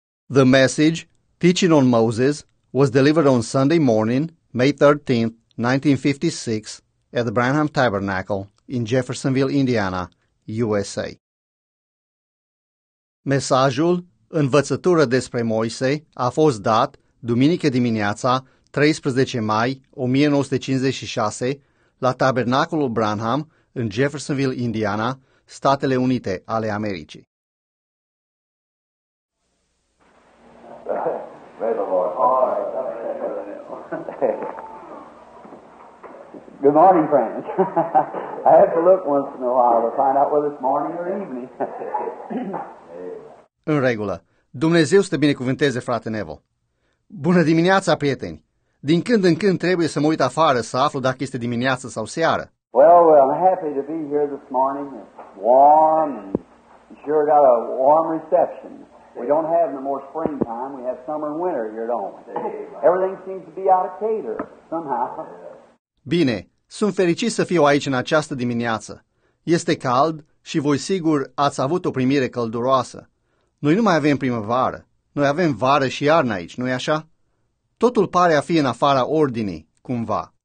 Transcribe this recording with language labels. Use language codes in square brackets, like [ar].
[en] The message, Teaching on Moses, was delivered on Sunday morning, May 13, 1956, at the Branham Tabernacle in Jeffersonville, Indiana, USA. [ro] Mesajul, Învățătură despre Moise, a fost dat duminică dimineața, 13 mai 1956, la Tabernacolul Branham în Jeffersonville, Indiana, Statele Unite ale Americii. [en] Good morning, friends. I have to look once in a while to find out whether it's morning or evening. [ro] În regulă. Dumnezeu să te binecuvânteze, frate Nevo. Bună dimineața, prieteni. Din când în când trebuie să mă uit afară să aflu dacă este dimineață sau seară. [en] Well, I'm happy to be here this morning. It's warm and sure got a warm reception. We don't have no more springtime. We have summer and winter here, don't we? Everything seems to be out of cater somehow. [ro] Bine, sunt fericit să fiu aici în această dimineață. Este cald și voi sigur ați avut o primire călduroasă. Noi nu mai avem primăvară. Noi avem vară și iarnă aici, nu-i așa? Totul pare a fi în afara ordinii, cumva.